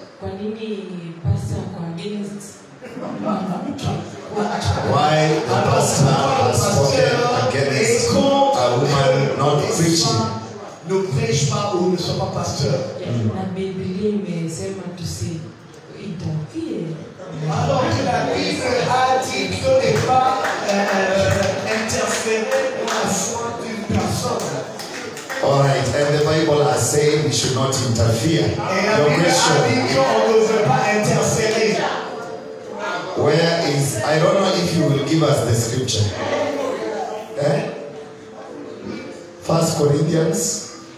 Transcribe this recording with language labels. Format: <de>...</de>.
<en>Why the pastor has spoken against a woman not preaching?</en> <fr>Ne prêche pas ou ne sois pas pasteur. La Bible dit seulement tu sais. Alors que la Bible a dit que ne pas interférer dans la foi d'une personne.</fr> <en>All right, and the Bible has said we should not interfere. The question. Where is? I don't know if you will give us the scripture. Eh? First Corinthians.</en>